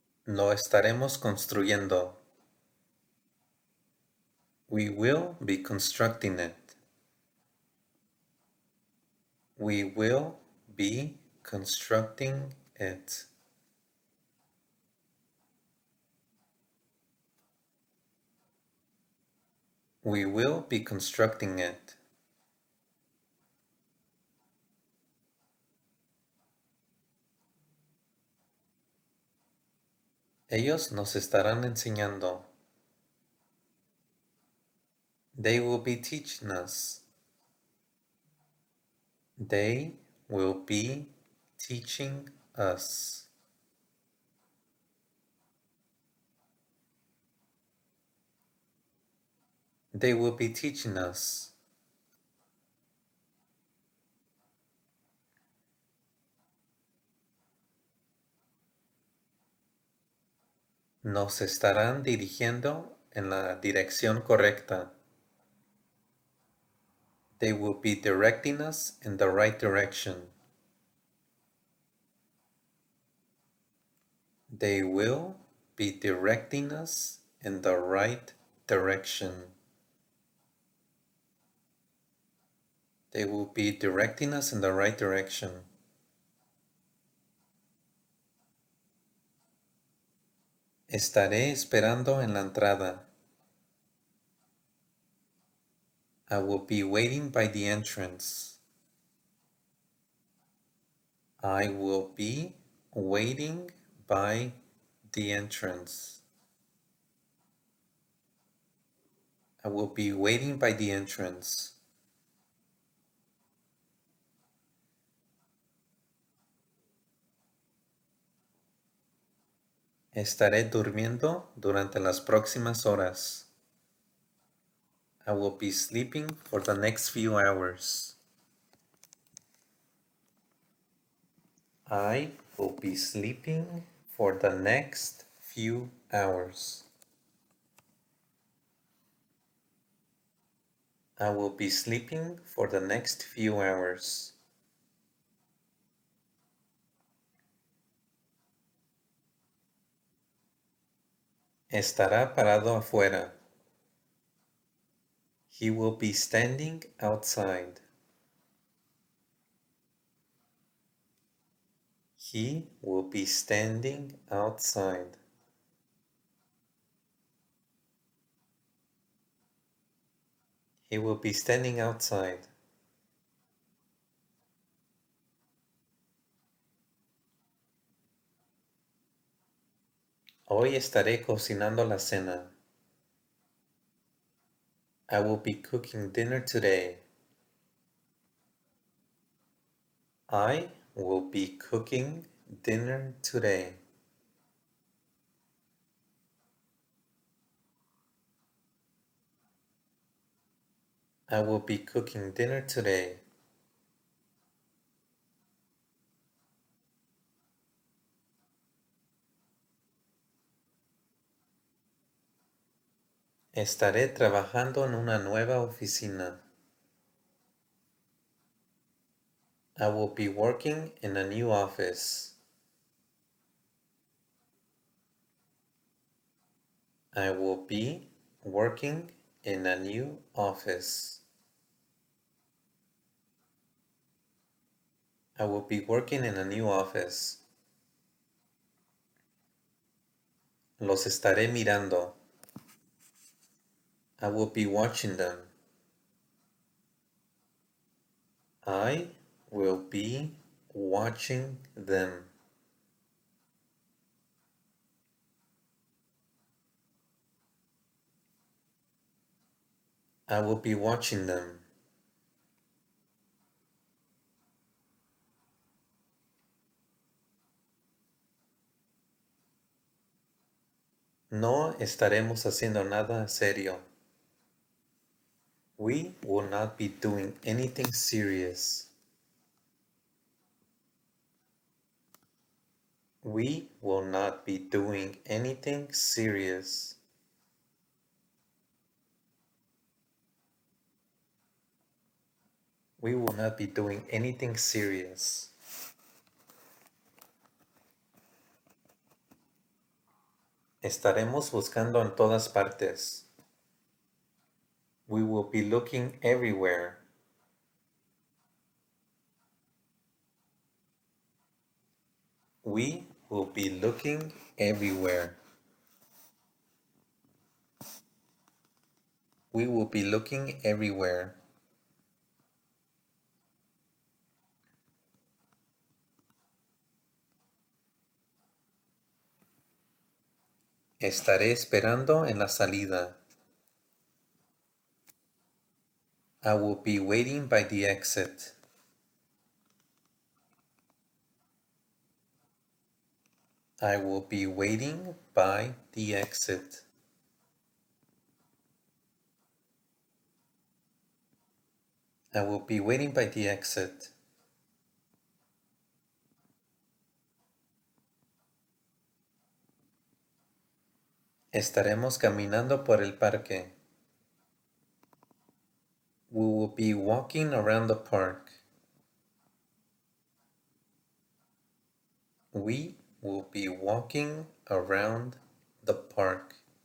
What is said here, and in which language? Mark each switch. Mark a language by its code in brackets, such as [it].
[es] Lo estaremos construyendo. [en] We will be constructing it. We will be constructing it. We will be constructing it. [es] Ellos nos estarán enseñando. [en] They will be teaching us. They will be teaching us. They will be teaching us. [es] Nos estarán dirigiendo en la dirección correcta. [en] They will be directing us in the right direction. They will be directing us in the right direction. They will be directing us in the right direction. [es] Estaré esperando en la entrada. [en] I will be waiting by the entrance. I will be waiting by the entrance. I will be waiting by the entrance. [es] Estaré durmiendo durante las próximas horas. [en] I will be sleeping for the next few hours. I will be sleeping for the next few hours. I will be sleeping for the next few hours. [es] Estará parado afuera. [en] He will be standing outside. He will be standing outside. He will be standing outside. [es] Hoy estaré cocinando la cena. [en] I will be cooking dinner today. I will be cooking dinner today. I will be cooking dinner today. [es] Estaré trabajando en una nueva oficina. [en] I will be working in a new office. I will be working in a new office. I will be working in a new office. [es] Los estaré mirando. [en] I will be watching them. I will be watching them. I will be watching them. [es] No estaremos haciendo nada serio. [en] We will not be doing anything serious. We will not be doing anything serious. We will not be doing anything serious. [es] Estaremos buscando en todas partes. [en] We will be looking everywhere. We will be looking everywhere. We will be looking everywhere. [es] Estaré esperando en la salida. [en] I will be waiting by the exit. I will be waiting by the exit. I will be waiting by the exit. [es] Estaremos caminando por el parque. [en] We will be walking around the park. We will be walking around the park.